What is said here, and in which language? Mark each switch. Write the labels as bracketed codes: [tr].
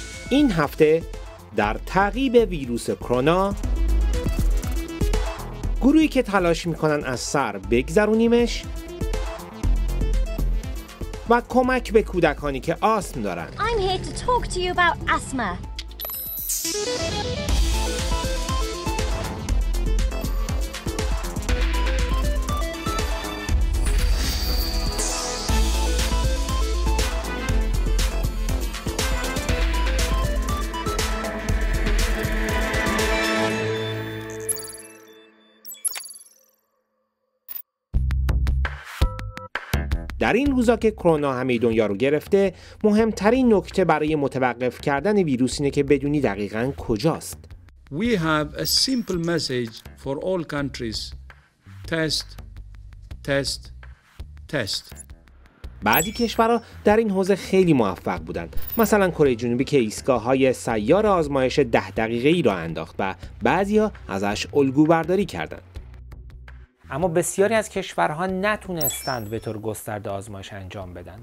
[fa] این هفته در تعقیب ویروس کرونا، گروهی که تلاش میکنن از سر بگذرونیمش و کمک به کودکانی که آسم دارن. [en] I'm here to talk to you about asthma. [fa] در این روزا که کرونا همه دنیا رو گرفته، مهمترین نکته برای متوقف کردن ویروس اینه که بدونی دقیقاً کجاست. [en] We have a simple message for all countries. Test, test, test. [fa] بعضی کشورها در این حوزه خیلی موفق بودند. مثلا کره جنوبی که ایستگاه‌های سیار آزمایش 10 دقیقه‌ای را انداخت و بعضی‌ها ازش الگو برداری کردند. اما بسیاری از کشورها نتونستند به طور گسترده آزمایش انجام بدن.